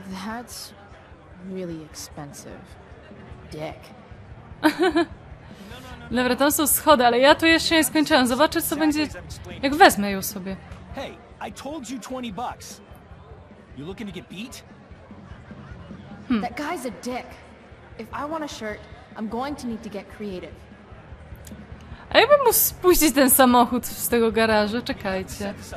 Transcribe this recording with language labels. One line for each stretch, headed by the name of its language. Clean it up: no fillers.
English: That's really expensive. Dick.
Polish: Dobra, tam są schody, ale ja tu jeszcze nie skończyłem. Zobaczę, co będzie. Jak wezmę ją sobie.
English: Hey, I told you 20 bucks. You looking to get beat? That guy's a dick. If I want a shirt, I'm going to need to get creative.
Polish: A ja bym mógł spuścić ten samochód z tego garażu, czekajcie.